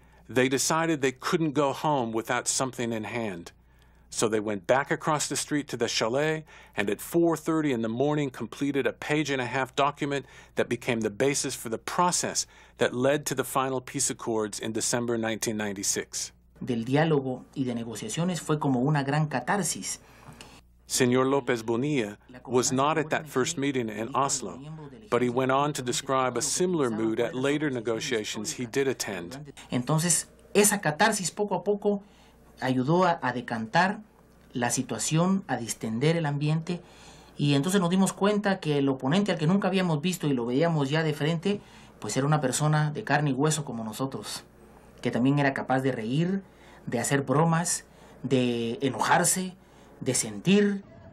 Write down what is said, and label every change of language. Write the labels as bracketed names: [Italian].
[English] They decided they couldn't go home without something in hand. So they went back across the street to the chalet and at 4:30 in the morning completed a page and a half document that became the basis for the process that led to the final peace accords in December 1996. [Spanish] Del diálogo y de negociaciones fue como una gran catarsis. [English] Señor López Bonilla was not at that first meeting in Oslo, but he went on to describe a similar mood at later negotiations he did attend. [Spanish] Entonces, esa catarsis poco a poco ayudó a decantar la situación, a distender el ambiente, y entonces nos dimos cuenta que el oponente al que nunca habíamos visto y lo veíamos ya de frente, pues era una persona de carne y hueso como nosotros, que también era capaz de reír, de hacer bromas, de enojarse, de sentir.